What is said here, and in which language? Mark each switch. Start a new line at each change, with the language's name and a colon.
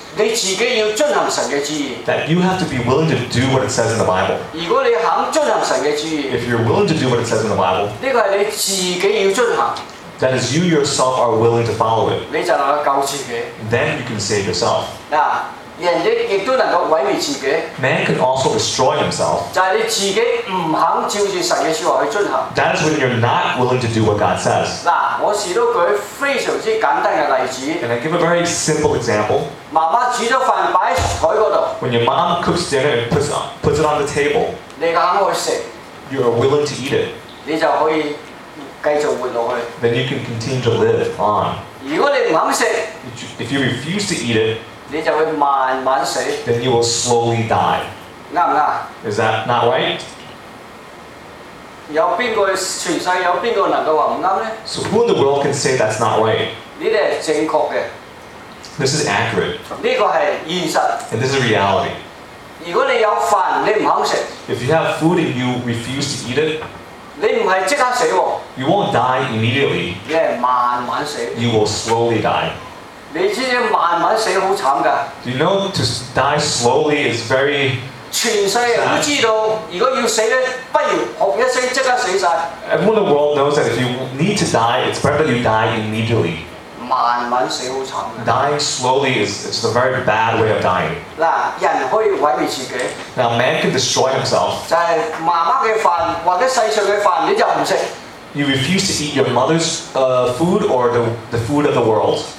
Cantonese: 你自己要遵行神的旨意。
English: That you have to be willing to do what it says in the Bible.
Cantonese: 如果你肯遵行神的旨意。
English: If you're willing to do what it says in the Bible.
Cantonese: 这个是你自己要遵行。
English: That is you yourself are willing to follow it.
Cantonese: 你就能够救自己。
English: Then you can save yourself.
Cantonese: 啊，人亦都能够毁灭自己。
English: Man can also destroy himself.
Cantonese: 就是你自己不肯照着神的说话去遵行。
English: That is when you're not willing to do what God says.
Cantonese: 啊，我试到举非常之简单的例子。
English: And I give a very simple example.
Cantonese: 媽媽煮咗飯擺喺台嗰度。
English: When your mom cooks dinner and puts it on the table,
Cantonese: 你肯去食。
English: You are willing to eat it.
Cantonese: 你就可以繼續活落去。
English: Then you can continue to live on.
Cantonese: 如果你唔肯食
English: ，If you refuse to eat it,
Cantonese: 你就會慢慢死。
English: Then you will slowly die.
Cantonese: 啱唔啱
English: ？Is that not right?
Cantonese: 有邊個全世界有邊個能夠話唔啱咧
English: ？So who in the world can say that's not right?
Cantonese: 呢啲係正確嘅。
English: This is accurate.
Cantonese: 呢個係現實。
English: And this is reality.
Cantonese: 如果你有飯，你唔肯食。
English: If you have food and you refuse to eat it,
Cantonese: 你唔係即刻死喎。
English: You won't die immediately.
Cantonese: 你係慢慢死。
English: You will slowly die.
Cantonese: 你知唔知慢慢死好慘㗎
English: ？Do you know to die slowly is very
Cantonese: 全世界都知道，如果要死咧，不如噗一聲即刻死曬。
English: Everyone in the world knows that if you need to die, it's better you die immediately.
Cantonese: 慢慢死好慘。
English: Dying slowly is a very bad way of dying.
Cantonese: 嗱，人可以毀滅自己。
English: Now man can destroy himself.
Cantonese: 就係媽媽嘅飯或者世上嘅飯，你就唔食。
English: You refuse to eat your mother's food or the food of the world.